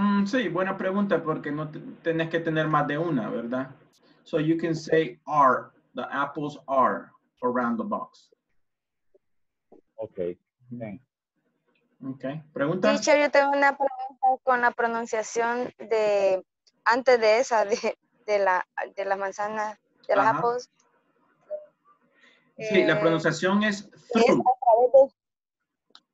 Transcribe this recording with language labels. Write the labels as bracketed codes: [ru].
[es] Sí, buena pregunta, porque no tenés que tener más de una, ¿verdad? [en] So you can say are, the apples are around the box. Okay, thanks. [es] Okay, pregunta. Teacher, yo tengo una pregunta con la pronunciación de antes de esa de la manzana de las apples. Sí, la pronunciación es through. Es a través de...